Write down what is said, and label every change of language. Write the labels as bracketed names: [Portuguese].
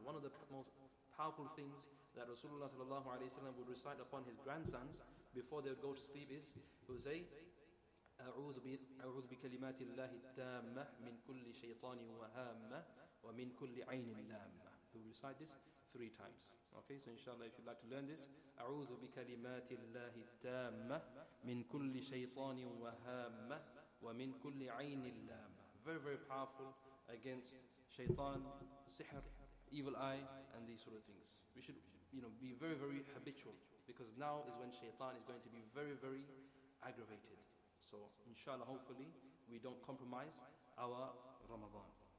[English] One of the most powerful things that Rasulullah sallallahu alayhi wa sallam would recite upon his grandsons before they would go to sleep is, he would say, [Arabic] أعوذ بكلمات الله التامة من كل شيطان وهامة ومن كل عين لامة. [English] He'll recite this 3 times. Okay, so inshallah, if you'd like to learn this, [Arabic] أعوذ بكلمات الله التامة من كل شيطان وهامة ومن كل عين لامة. [English] Very, very powerful against shaitan, sihr, evil eye, and these sort of things. We should, you know, be very, very habitual, because now is when shaitan is going to be very, very aggravated. So, inshallah, hopefully, we don't compromise our Ramadan.